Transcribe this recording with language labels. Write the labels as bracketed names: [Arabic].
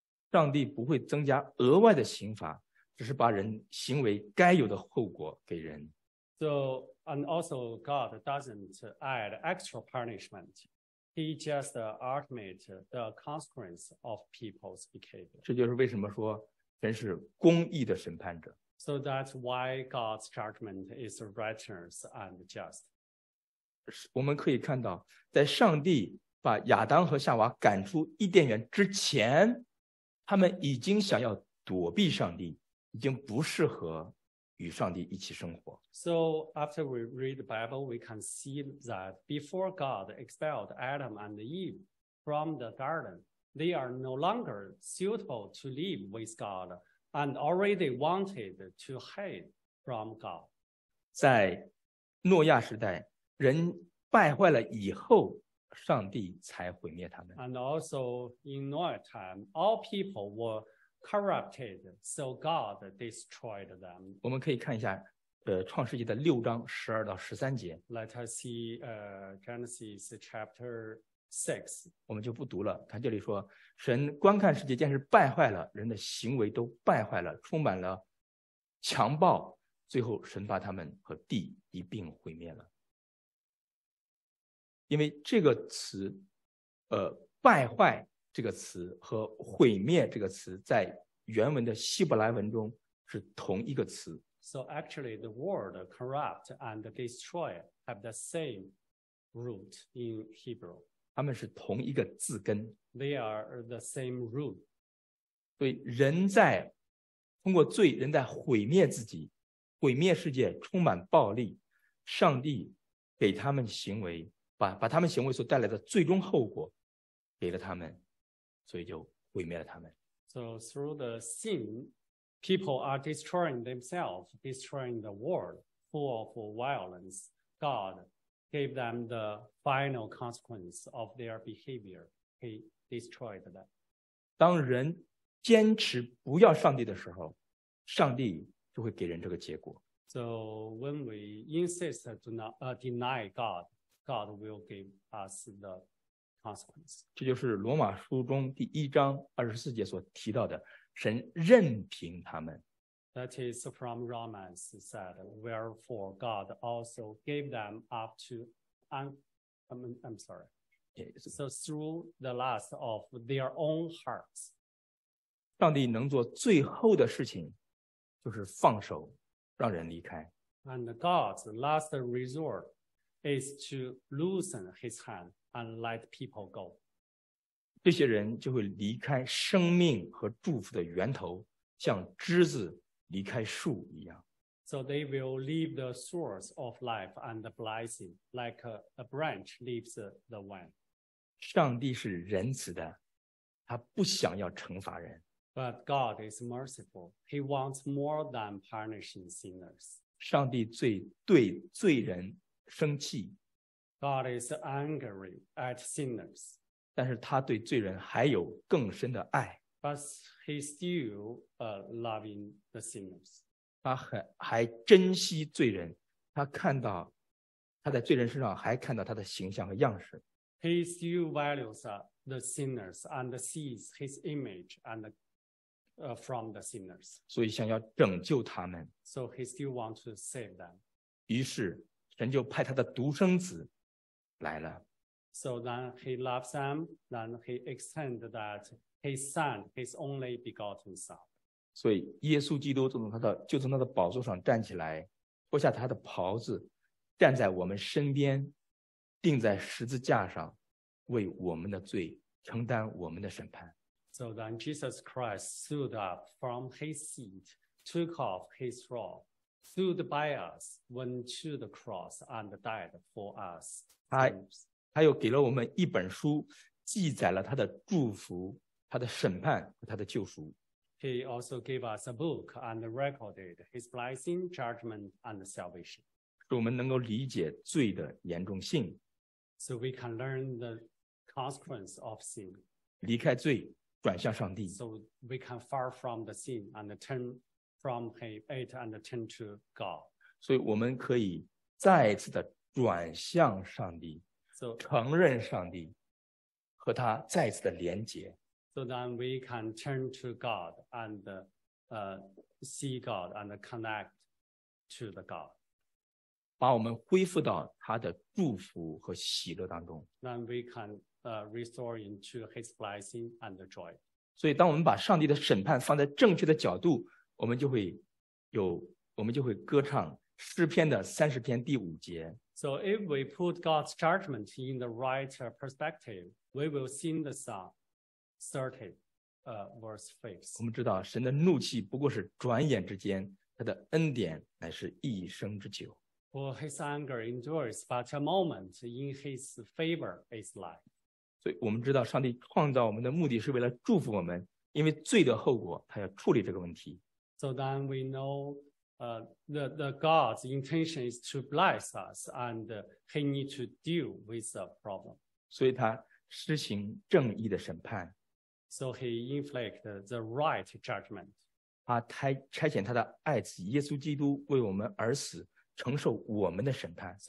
[Chinese] 上帝不会增加额外的刑罚，只是把人行为该有的后果给人。 [English] So, and also God doesn't add extra punishment. He just ultimates the consequence of people's behavior. [Chinese] 这就是为什么说神是公义的审判者。 [English] So that's why God's judgment is righteous and just. [Chinese] 我们可以看到，在上帝把亚当和夏娃赶出伊甸园之前，他们已经想要躲避上帝，已经不适合与上帝一起生活。 [English] So after we read the Bible, we can see that before God expelled Adam and Eve from the garden, they are no longer suitable to live with God. And already wanted to hide from God. [Chinese] 在诺亚时代，人败坏了以后，上帝才毁灭他们。 [English] And also in Noah's time, all people were corrupted, so God destroyed them. [Chinese] 我们可以看一下，创世纪的六章十二到十三节。 [English] Let us see, Genesis chapter. Six. [Chinese] 我们就不读了，他这里说神观看世界，见是败坏了，人的行为都败坏了，充满了强暴，最后神把他们和地一并毁灭了。因为这个词败坏这个词和毁灭这个词在原文的希伯来文中是同一个词。 [English] So actually the word corrupt and destroy have the same root in Hebrew. [Chinese] 他们是同一个字根。 [English] They are the same root. [Chinese] 对，人在通过罪，人在毁灭自己，毁灭世界，充满暴力。上帝给他们行为，把他们行为所带来的最终后果给了他们，所以就毁灭了他们。 [English] So through the sin, people are destroying themselves, destroying the world, full of violence. God. Gave them the final consequence of their behavior. He destroyed them. [Chinese] 当人坚持不要上帝的时候，上帝就会给人这个结果。 [English] So when we insist to not, deny God, God will give us the consequence. [Chinese] 这就是罗马书中第一章二十四节所提到的，神任凭他们。 [English] That is from Romans said, wherefore God also gave them up to, So through the lust of their own hearts. [Chinese] 上帝能做最后的事情就是放手让人离开。 [English] And God's last resort is to loosen his hand and let people go. [Chinese] 这些人就会离开生命和祝福的源头，像枝子离开树一样。 [English] So they will leave the source of life and the blessing like a branch leaves the vine. [Chinese] 上帝是仁慈的，他不想要惩罚人。 [English] But God is merciful. He wants more than punishing sinners. [Chinese] 上帝对罪人生气。 [English] God is angry at sinners. [Chinese] 但是他对罪人还有更深的爱。 [English] But he's still loving the sinners. [Chinese] 他还珍惜罪人，他在罪人身上还看到他的形象和样式。 [English] He still values the sinners and sees his image and from the sinners. [Chinese] 所以想要拯救他们。 [English] So he still wants to save them. [Chinese] 于是神就派他的独生子来了。 [English] So then he loves them, then he extended that his son, his only begotten son. [Chinese] 所以耶稣基督就从他的宝座上站起来，脱下他的袍子，站在我们身边，钉在十字架上，为我们的罪承担我们的审判。 [English] So then Jesus Christ stood up from his seat, took off his robe, stood by us, went to the cross and died for us. [Chinese] 他又给了我们一本书，记载了他的祝福、他的审判和他的救赎。 [English] He also gave us a book and recorded his blessing, judgment and salvation. [Chinese] 使我们能够理解罪的严重性。 [English] So we can learn the consequence of sin. [Chinese] 离开罪。转向上帝。 [English] So we can far from the sin and turn from it and turn to God. [Chinese] 所以我们可以再次的转向上帝， [English] so, [Chinese] 承认上帝和他再次的连结。 [English] So then we can turn to God and see God and connect to the God. [Chinese] 把我们恢复到他的祝福和喜乐当中。 [English] Then we can. Restore into his blessing and joy. [Chinese] 所以当我们把上帝的审判放在正确的角度，我们就会歌唱诗篇的30篇第五节。 [English] So if we put God's judgment in the right perspective, we will sing the song 30, verse 5. [Chinese] 我们知道神的怒气不过是转眼之间，他的恩典乃是一生之久。 [English] For his anger endures but a moment, in his favor is life. [Chinese] 所以我们知道上帝创造我们的目的是为了祝福我们，因为罪的后果他要处理这个问题。 [English] So then we know the God's intention is to bless us and he needs to deal with the problem. [Chinese] 所以他施行正义的审判。 [English] So he inflicted the right judgment. [Chinese] 他差遣他的爱子耶稣基督为我们而死，承受我们的审判。